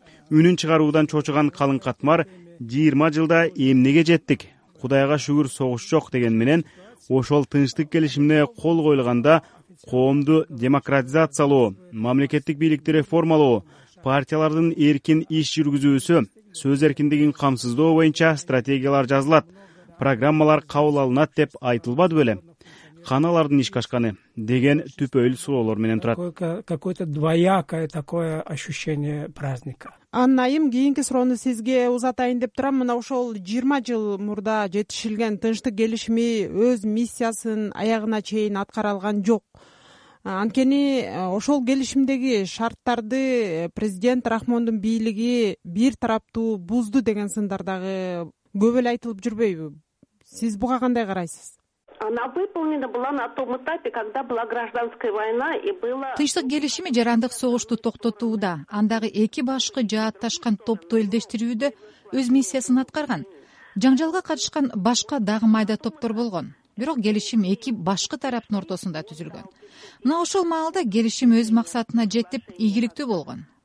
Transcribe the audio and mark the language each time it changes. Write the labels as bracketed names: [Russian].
[Kyrgyz] үнүн чыгаруудан чочуган калың катмар 20 жылда эмнеге жеттик, Кудайга шүгүр согуш жок деген менен ошол тынчтык келишимине кол коюлганда коомду демократизациялоо, мамлекеттик бийликти реформалоо, партиялардын эркин иш жүргүзүүсү, сөз эркиндигин камсыздоо боюнча стратегиялар жазылат, программалар кабыл алынат деп айтылбады беле? Каналардын иш качканы деген түпөйүл суроолор менен турат. [Russian] Какое-то двоякое такое ощущение праздника. [Kyrgyz] Аннайым, кийинки суроону сизге узатайын деп турам. Мына ошол 20 жыл мурда жетишилген тынчтык келишими өз миссиясын аягына чейин аткара алган жок. Анткени ошол келишимдеги шарттарды президент Рахмондун бийлиги бир тараптуу бузду деген сындар дагы көп эле айтылып жүрбөйбү? Сиз буга кандай карайсыз? [Russian] Она выполнена была на том этапе, когда была гражданская война и было [Kyrgyz] тынчтык келишими жарандык согушту токтотууда, андагы эки башкы жааташкан топту элдештирүүдө өз миссиясын аткарган. Жаңжалга катышкан башка дагы майда топтор болгон. Бирок келишим эки башкы тараптын ортосунда түзүлгөн. Мына ошол маалда келишим өз максатына жетип, ийгиликтүү болгон.